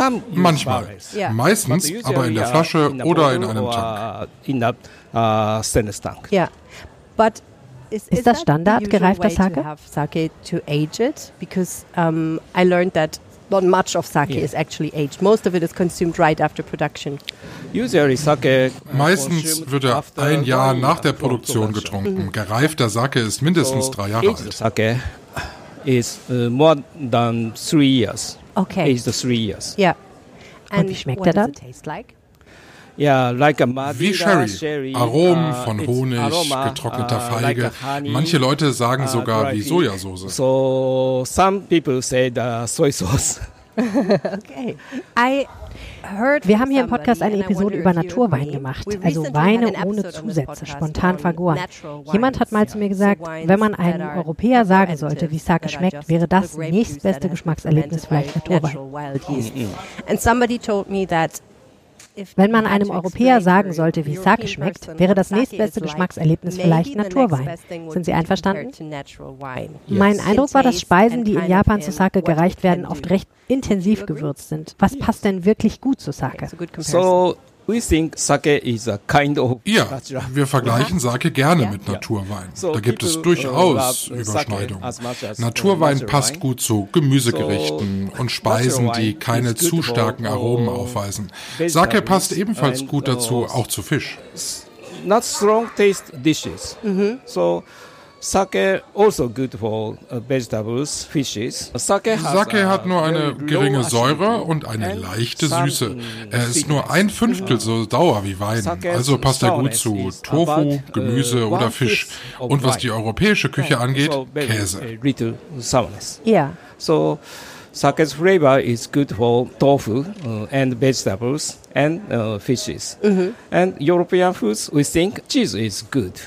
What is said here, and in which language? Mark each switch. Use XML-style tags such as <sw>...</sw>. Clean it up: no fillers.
<de>Manchmal, meistens, aber in der Flasche oder in einem Tank.</de> <en>Stainless tank. Yeah. But</en> <de>ist das Standard gereifter Sake?</de> <en>Sake to age it because I learned that not much of sake is actually aged. Most of it is consumed right after production. Usually sake</en> <de>meistens wird er ein Jahr nach der Produktion getrunken. Mm-hmm. Gereifter Sake ist mindestens so 3 Jahre</de> <en>aged</en> <de>alt.</de> <en>Sake is more than 3 years. Okay. Aged 3 years. Yeah.</en> <de>And wie schmeckt er dann?</de> <en>Yeah, like a Madeira,</en> <de>wie Sherry. Aromen von Honig, aroma, getrockneter Feige.</de> <en>Like honey,</en> <de>manche Leute sagen sogar wie Sojasauce.</de> <en>So, some people say the soy sauce. Okay.</en> <de>Wir haben hier im Podcast eine Episode über Naturwein gemacht, also Weine ohne Zusätze, spontan vergoren. Jemand hat mal zu mir gesagt, wenn man einem Europäer sagen sollte, wie Sake schmeckt, wäre das nächstbeste Geschmackserlebnis vielleicht Naturwein. And somebody told me that wenn man einem Europäer sagen sollte, wie Sake schmeckt, wäre das nächstbeste Geschmackserlebnis vielleicht Naturwein. Sind Sie einverstanden? Mein Eindruck war, dass Speisen, die in Japan zu Sake gereicht werden, oft recht intensiv gewürzt sind. Was passt denn wirklich gut zu Sake?</de> <en>So, we think sake is a kind of.</en> <de>Ja, wir vergleichen Sake gerne mit Naturwein. Da gibt es durchaus Überschneidungen. Naturwein passt gut zu Gemüsegerichten und Speisen, die keine zu starken Aromen aufweisen. Sake passt ebenfalls gut dazu, auch zu Fisch.</de> <en>Not strong taste dishes. So. Sake also good for vegetables, fishes.</en> <de>Sake hat nur eine geringe Säure und eine leichte Süße. Er ist nur ein Fünftel so sauer wie Wein. Also passt er gut zu Tofu, Gemüse oder Fisch. Und was die europäische Küche angeht, Käse.</de> <en>Yeah. So Sake's flavor is good for tofu and vegetables and fishes. Mm-hmm. And European foods, we think cheese is good.</en>